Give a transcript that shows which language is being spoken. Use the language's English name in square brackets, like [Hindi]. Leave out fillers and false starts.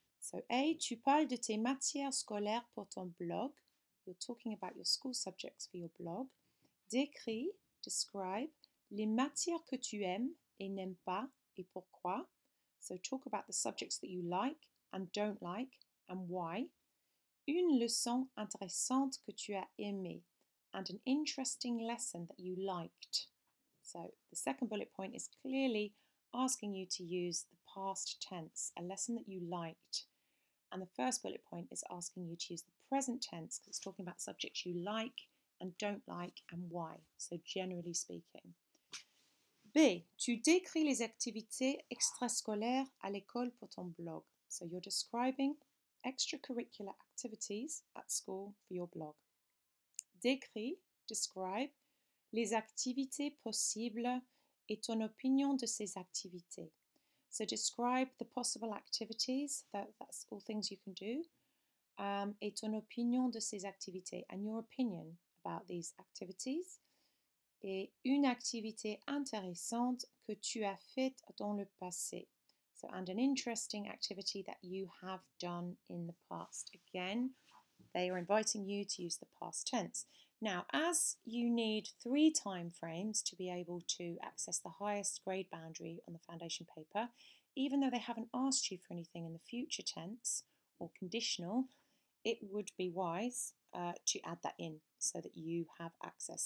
[English] So A, [French] tu parles de tes matières scolaires pour ton blog. [English] You're talking about your school subjects for your blog. [French] Décris, [English] describe, [French] les matières que tu aimes et n'aimes pas. Et pourquoi? [English] So talk about the subjects that you like and don't like and why. [French] Une leçon intéressante que tu as aimée [English] and an interesting lesson that you liked. So the second bullet point is clearly asking you to use the past tense, a lesson that you liked. And the first bullet point is asking you to use the present tense because it's talking about subjects you like and don't like and why. So generally speaking. [French] B, tu décris les activités extrascolaires à l'école pour ton blog. [English] So you're describing extracurricular activities at school for your blog. [French] Décris, [English] describe, [French] les activités possibles et ton opinion de ces activités. [English] So describe the possible activities, that's all things you can do, [French] et ton opinion de ces activités [English] and your opinion about these activities. [French] Et une activité intéressante que tu as faite dans le passé. [English] So, and an interesting activity that you have done in the past. Again, they are inviting you to use the past tense. Now, as you need three time frames to be able to access the highest grade boundary on the foundation paper, even though they haven't asked you for anything in the future tense or conditional, it would be wise to add that in so that you have access.